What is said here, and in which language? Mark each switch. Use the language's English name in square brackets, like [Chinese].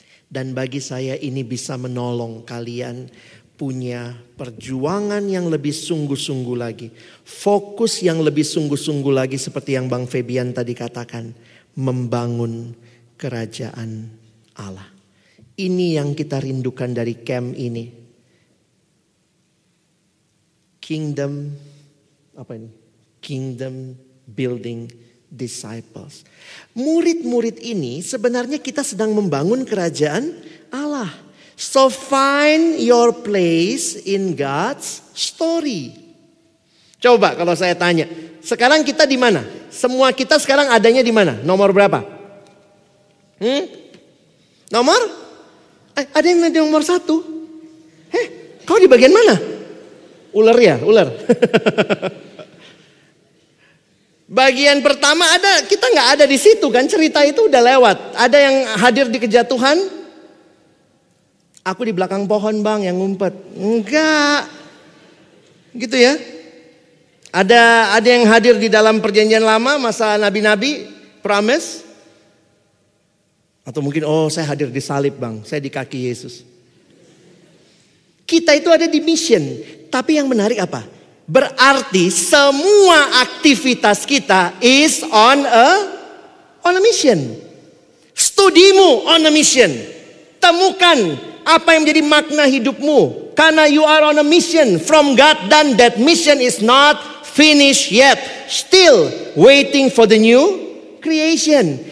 [Indonesian] Dan bagi saya ini bisa menolong kalian punya perjuangan yang lebih sungguh-sungguh lagi. Fokus yang lebih sungguh-sungguh lagi seperti yang Bang Fabian tadi katakan. Membangun kerajaan Allah. Ini yang kita rindukan dari camp ini. Kingdom, apa ini? [English] Kingdom building disciples. [Indonesian] Murid-murid ini sebenarnya kita sedang membangun kerajaan Allah. [English] So find your place in God's story. [Indonesian] Coba kalau saya tanya, sekarang kita di mana? Semua kita sekarang adanya di mana? Nomor berapa? Nomor? Ada yang di nomor satu? Kau di bagian mana? Ular ya, ular. Bagian pertama ada, kita gak ada di situ kan, cerita itu udah lewat. Ada yang hadir di kejatuhan? Aku di belakang pohon bang yang ngumpet. Enggak. Gitu ya. Ada yang hadir di dalam perjanjian lama masa nabi-nabi, promise. Atau mungkin, oh saya hadir di salib bang, saya di kaki Yesus. Kita itu ada di mission, tapi yang menarik apa? Berarti semua aktivitas kita [English] is on a mission. Studimu on a mission. [Indonesian] Temukan apa yang menjadi makna hidupmu. [English] Karena you are on a mission from God. Dan that mission is not finished yet. Still waiting for the new creation.